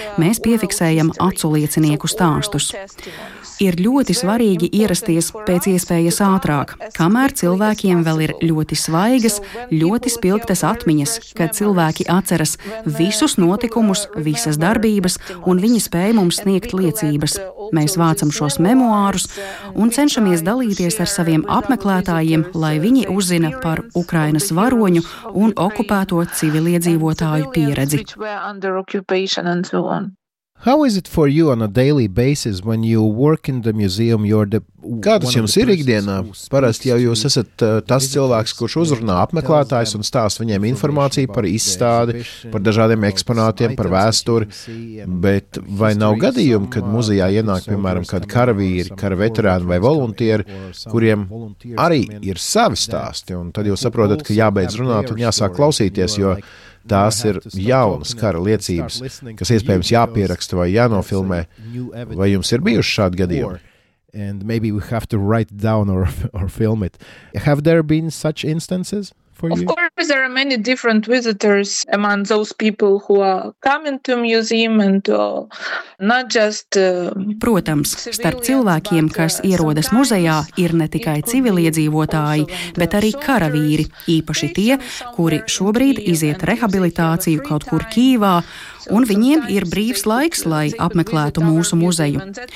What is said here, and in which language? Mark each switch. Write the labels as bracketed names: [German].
[Latvian] Mēs piefiksējam acu liecinieku stāstus. Ir ļoti svarīgi ierasties pēc iespējas ātrāk, kamēr cilvēkiem vēl ir ļoti svaigas, ļoti spilgtas atmiņas, kad cilvēki atceras visus notikumus, visas darbības un viņi spēj mums sniegt liecības. Mēs vācam šos memoārus un cenšamies dalīties ar saviem apmeklētājiem, lai viņi uzzina par Ukrainas varoņu un okupēto civiliedzīvotāju pieredzi. [English] How is it for you on a daily basis when you work in the museum? [Latvian] Kā tas jums ir ikdienā? Parasti jau jūs esat tas cilvēks, kurš uzrunā apmeklētājs un stāsta viņiem informāciju par izstādi, par dažādiem eksponātiem, par vēsturi. Bet vai nav gadījumi, kad muzejā ienāk, piemēram, kādi karavīri, kara veterāni vai volontieri, kuriem arī ir savi stāsti? Un tad jūs saprotat, ka jābeidz runāt un jāsāk klausīties, jo tās ir jaunas kara liecības, kas iespējams jāpieraksta vai jānofilmē. Vai jums ir bijuši šādi gadījumi? [English] And maybe we have to write down or film it. Have there been such instances for you? Of course. there are many different visitors among those people who are coming to museum and to not just [Latvian] Protams, starp cilvēkiem, kas ierodas muzejā, ir ne tikai civiliedzīvotāji, bet arī karavīri, īpaši tie, kuri šobrīd iziet rehabilitāciju kaut kur Kīvā, un viņiem ir brīvs laiks, lai apmeklētu mūsu muzeju.